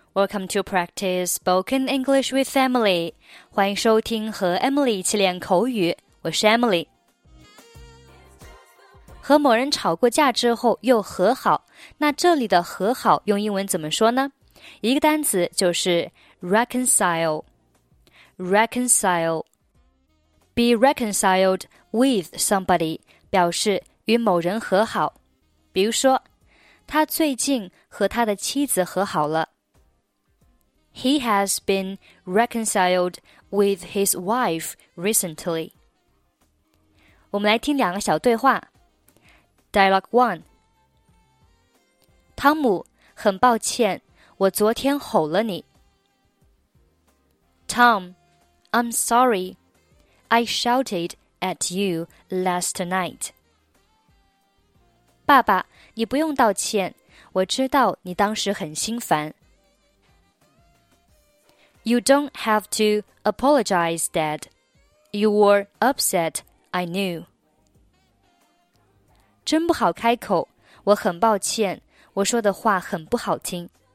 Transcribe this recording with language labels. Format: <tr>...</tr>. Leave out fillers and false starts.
<en>Welcome to practice spoken English with Emily.</en> <zh>欢迎收听和 Emily 一起练口语。我是 Emily。和某人吵过架之后又和好，那这里的和好用英文怎么说呢？一个单词就是 reconcile, reconcile.</zh> <en>Be reconciled with somebody</en> <zh>表示与某人和好。比如说他最近和他的妻子和好了。</zh> <en>He has been reconciled with his wife recently.</en> <zh>我们来听两个小对话。</zh> <en>Dialogue 1.</en> <zh>汤姆，很抱歉，我昨天吼了你。</zh> <en>Tom, I'm sorry. I shouted at you last night.</en> <zh>爸爸，你不用道歉，我知道你当时很心烦。</zh> <en>You don't have to apologize, Dad. You were upset, I knew.</en> <zh>真不好开口，我很抱歉，我说的话很不好听。</zh>